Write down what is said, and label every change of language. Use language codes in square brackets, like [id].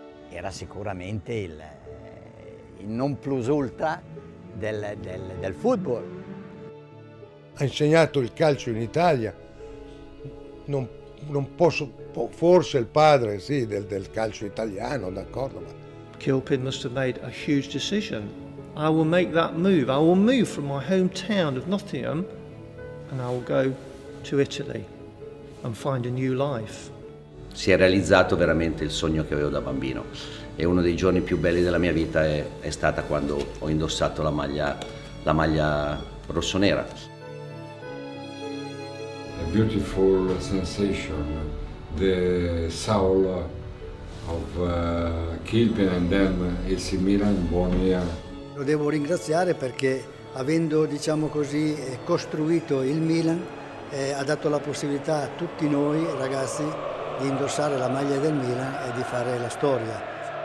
[it] Era sicuramente il non plus ultra del football. Ha insegnato il calcio in Italia, non posso, forse il padre, sì, del calcio italiano, d'accordo, ma... [en] Kilpin must have made a huge decision. I will make that move. I will move from my hometown of Nottingham and I will go to Italy and find a new life. [it] Si è realizzato veramente il sogno che avevo da bambino e uno dei giorni più belli della mia vita è stata quando ho indossato la maglia rossonera. [en] A beautiful sensation, the soul of Kilpin and then AC Milan born here. [it] Lo devo ringraziare perché avendo, diciamo così, costruito il Milan, ha dato la possibilità a tutti noi ragazzi di indossare la maglia del Milan e di fare la storia.